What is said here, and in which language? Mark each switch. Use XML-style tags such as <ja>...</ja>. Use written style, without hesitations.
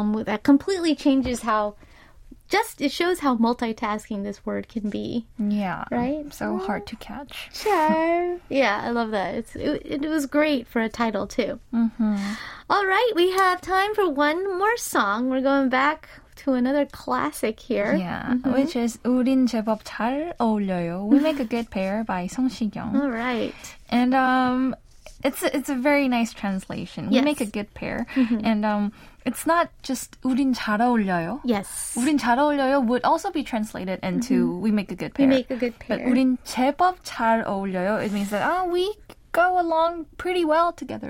<en>That completely changes how, just, it shows how multitasking this word can be. Yeah. Right? So hard to catch. 잘. Yeah, I love that. It was great for a title, too. Mm-hmm. All right, we have time for one more song. We're going back to another classic here. Yeah, which is</en> <ko>우린 제법 잘 어울려요.</ko> <en>We Make a Good Pair by Song Si-kyung. All right. And it's a very nice translation. Yes. We Make a Good Pair. And it's not just</en> <ko>우린 잘 어울려요.</ko> <en>Yes.</en> <ko>우린 잘 어울려요</ko> <en>would also be translated into We Make a Good Pair. We Make a Good Pair. But</en> <ko>우린 제법 잘 어울려요,</ko> <en>it means that we go along pretty well together.</en>